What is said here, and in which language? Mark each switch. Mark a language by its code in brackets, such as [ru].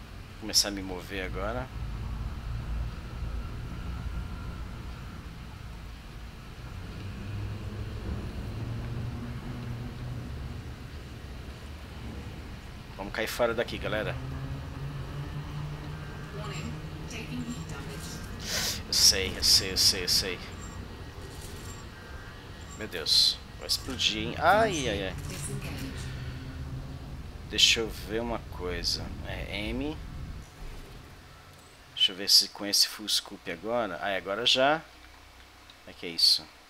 [pt] Vou começar a me mover agora. Vamos cair fora daqui, galera. [en] Warning, taking heat damage. [pt] Eu sei, eu sei, eu sei, eu sei. Meu Deus, vai explodir, hein? Ai, ai, ai. Deixa eu ver uma coisa. É M. Deixa eu ver se com esse full scoop agora. Ai, agora já. É que é isso.